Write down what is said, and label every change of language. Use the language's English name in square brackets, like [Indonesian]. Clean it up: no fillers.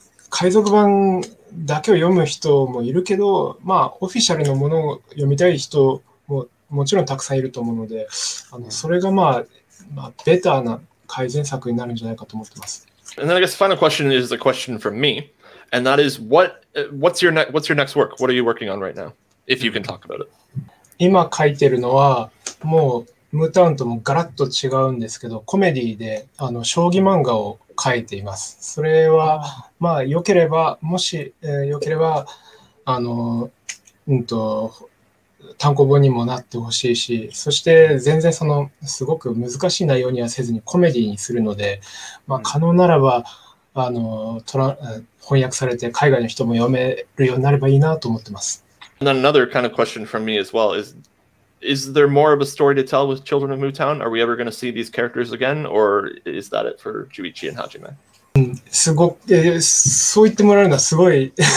[Japanese] 海賊版だけを読む人もいるけど、オフィシャルのものを読みたい人ももちろんたくさんいると思うので、それがベターな改善策になるんじゃないかと思ってます。 [English] And then I guess the final question is a question from meAnd that is, what's your next work? What are you working on right now? If you can talk about it. [Japanese] 今書いてるのは、もうムータウンともガラッと違うんですけど、コメディで将棋漫画を書いています。それは、良ければ、もし、良ければ、単行本にもなってほしいし、そして全然そのすごく難しい内容にはせずにコメディにするので、可能ならば、翻訳されて海外の人も読めるようになればいいなと思ってます。 [English] And then another kind of question from me as well is there more of a story to tell with Children of Mu Town? Are we ever going to see these characters again, or is that it for Juichi and Hajime? [Japanese] すごく、そう言ってもらえるのはすごい。